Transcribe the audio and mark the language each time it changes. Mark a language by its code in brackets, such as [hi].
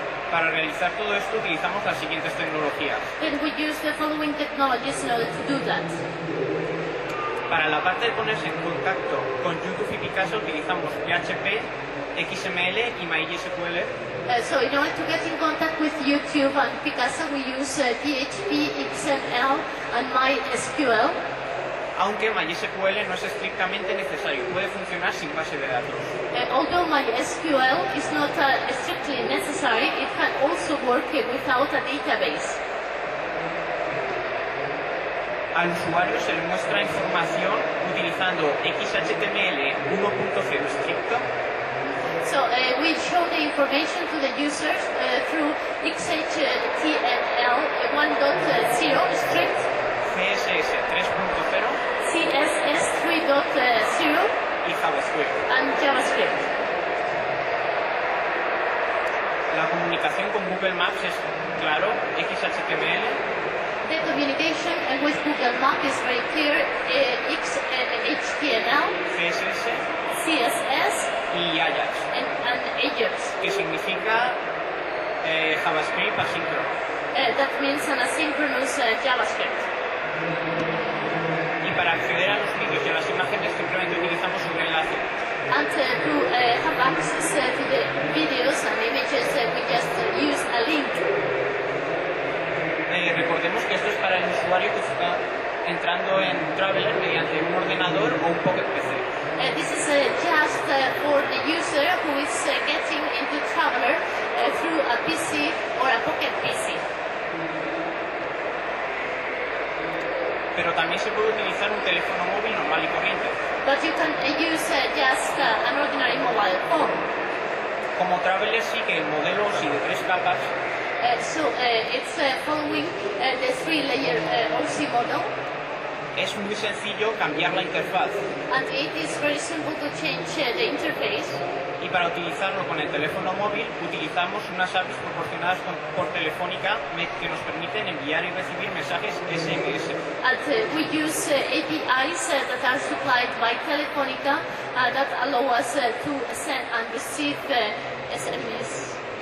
[es] Para realizar todo esto utilizamos las siguientes tecnologías. [en] Then we use the following technologies in order to do that. [es] Para la parte de ponerse en contacto con YouTube y Picasa utilizamos PHP, XML y MySQL. [en] So in order to get in contact with YouTube and Picasa we use PHP, XML and MySQL. [es] Aunque MySQL no es estrictamente necesario, puede funcionar sin base de datos. [en] Although MySQL is not strictly necessary, it can also work without a database. [es] Al usuario se le muestra información utilizando XHTML 1.0 estricto. [en] So we show the information to the user through XHTML 1.0 strict. [es] CSS 3.0. [en] CSS 3.0 [es] y JavaScript. [en] And JavaScript. [es] La comunicación con Google Maps es claro, XHTML. [en] The communication with Google Maps is very clear, XHTML. [es] CSS. [en] CSS. [es] Y Ajax. [en] And Ajax. [es] Que significa JavaScript asíncrono. [en] That means an asynchronous JavaScript. [es] Para acceder a los vídeos y a las imágenes simplemente utilizamos un enlace. [en] And to have access to the videos and images, we just use a link. [es] Recordemos que esto es para el usuario que está entrando en Traveler mediante un ordenador o un Pocket PC. [en] This is just for the user who is getting into Traveler through a PC or a Pocket PC. [es] pero también se puede utilizar un teléfono móvil normal y corriente. [en] But you can use just an ordinary mobile phone. [es] Como traveler sí que el modelo sí de tres capas. [en] It's following the three-layer OC model. [es] Es muy sencillo cambiar la interfaz. [en] And it is very simple to change the interface. [es] Y para utilizarlo con el teléfono móvil utilizamos unas APIs proporcionadas por Telefónica que nos permiten enviar y recibir mensajes SMS. [en] And we use APIs that are supplied by Telefónica that allow us to send and receive SMS.